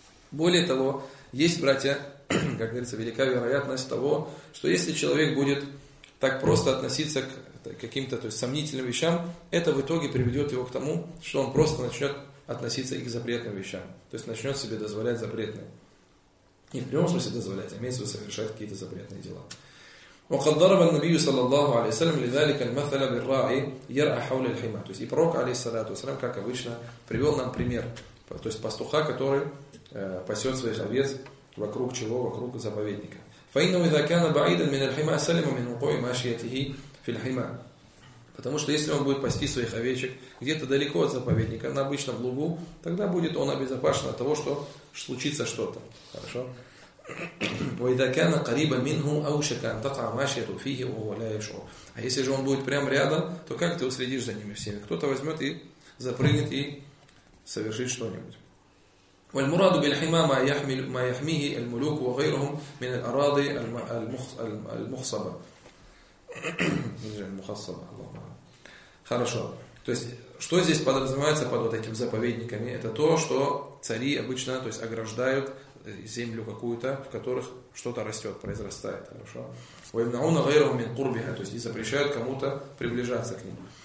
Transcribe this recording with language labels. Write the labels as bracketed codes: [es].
[ru] Более того, есть, братья, как говорится, велика вероятность того, что если человек будет так просто относиться к каким-то, то есть, сомнительным вещам, это в итоге приведет его к тому, что он просто начнет относиться и к запретным вещам. То есть начнет себе дозволять запретные. Не в прямом смысле дозволять, а имеется в виду совершать какие-то запретные дела. [ar] وقد ضرب النبي صلى الله عليه وسلم لذلك المثل بالراعي يرعى حول الحمى. [ru] То есть и пророк алейхиссалату вассалям, как обычно, привел нам пример, то есть пастуха, который пасет своих овец вокруг чего? Вокруг заповедника. [ar] فإنه إذا كان بعيدا من الحمى سلم من وقوع ماشيته في الحمى. [ru] Потому что если он будет пасти своих овечек где-то далеко от заповедника, на обычном лугу, тогда будет он обезопасен от того, что случится что-то. Хорошо? [ar] وإذا كان قريبا منه أو شكان تقع ماشيته فيه وهو لا يشعر. [ru] А если же он будет прямо рядом, то как ты уследишь за ними всеми? Кто-то возьмет и запрыгнет и совершит что-нибудь. [ar] والمراد بالحمى ما يحمل ما يحميه الملوك وغيرهم من الأراضي المخصبة. المخصبة. [ru] Хорошо. То есть что здесь подразумевается под вот этими заповедниками? Это то, что цари обычно, то есть, ограждают землю какую-то, в которых что-то растет, произрастает. Хорошо. То есть и запрещают кому-то приближаться к ним.